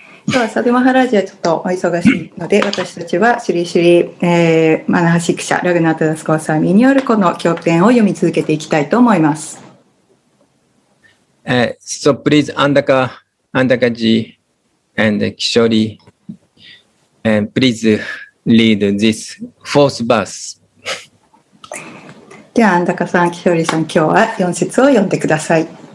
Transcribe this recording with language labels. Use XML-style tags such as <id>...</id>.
<ja>今日はサドマハラージはちょっとお忙しいので、私たちはシュリシュリ、マナハシクシャ、ラグナタダスゴサミによるこの経典を読み続けていきたいと思います。</ja> <en>So please, Andakaji and Kishori, and please read this fourth verse.</en> <ja>では、アンダカさん、キショリさん、今日は4節を読んでください。</ja>